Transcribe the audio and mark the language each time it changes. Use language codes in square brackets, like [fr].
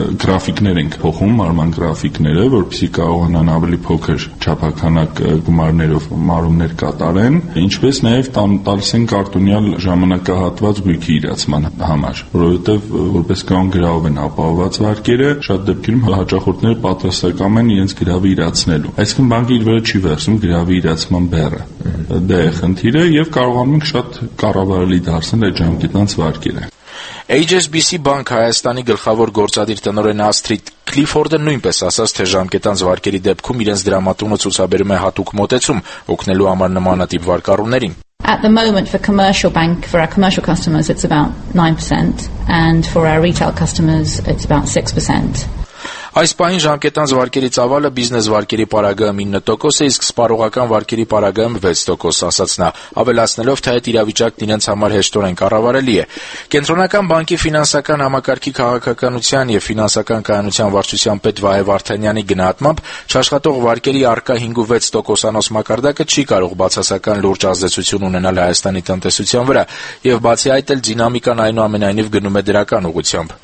[hy] գրաֆիկներ են փոխում, արման գրաֆիկները, որպեսզի կարողանան ավելի փոքր չափականակ գումարներով մարումներ կատարեն, ինչպես նաև տալիս են կարտոնյալ ժամանակահատված գույքի իրացման համար, որովհետև որպես կան գրավ են ապահովված վարկերը, շատ դեպքերում հաճախորդները պատրաստակամ են իրենց գրավը իրացնելու։ Այսինքն բանկը իր վրա չի վերցնում գրավի իրացման բեռը։ Դա է խնդիրը, և կարողանում ենք շատ կառավարելի դարձնել այդ ժամկետանց վարկերը։ HSBC Bank Հայաստանի գլխավոր գործադիր տնօրեն Աստրիդ Քլիֆորդը նույնպես ասաց, թե ժամկետանց վարկերի դեպքում իրենց դրամատունը ցուցաբերում է հատուկ մոտեցում օգնելու համար նմանատիպ վարկառուներին։ [en] At the moment, for commercial bank, for our commercial customers, it's about 9%, and for our retail customers, it's about 6%. [hy] Այս պահին ժամկետանց վարկերի ծավալը բիզնես վարկերի պարագայում 9% է, իսկ սպառողական վարկերի պարագայում 6% ասաց նա, ավելացնելով, թե այդ իրավիճակն իրենց համար հեշտորեն կառավարելի է։ Կենտրոնական բանկի ֆինանսական համակարգի քաղաքականության և ֆինանսական կայունության վարչության պետ Վահե Վարդանյանի գնահատմամբ չաշխատող վարկերի առկա 5-6%-անոս մակարդակը չի կարող բացասական լուրջ ազդեցություն ունենալ Հայաստանի տնտեսության վրա, և բացի այդ էլ դինամիկան այնուամենայնիվ գնում է դրական ուղղությամբ։